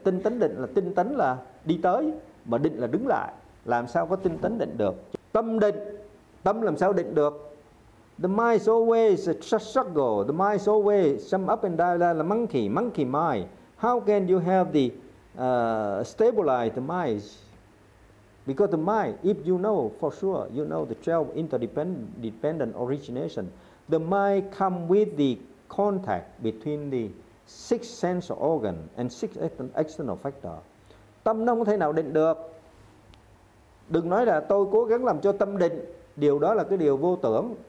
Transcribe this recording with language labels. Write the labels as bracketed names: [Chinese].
[Vietnamese] Tinh tấn định là tinh tấn là đi tới, mà định là đứng lại, làm sao có tinh tấn định được. Tâm định, tâm làm sao định được. [English] The mind is always a struggle. The mind is always some up and down like a monkey mind. How can you have the stabilize the mind? Because the mind, if you know for sure, you know the 12 interdependent origination. The mind come with the contact between the 6 sense organ and 6 external factor. [Vietnamese] Tâm nó không thể nào định được. Đừng nói là tôi cố gắng làm cho tâm định, điều đó là cái điều vô tưởng.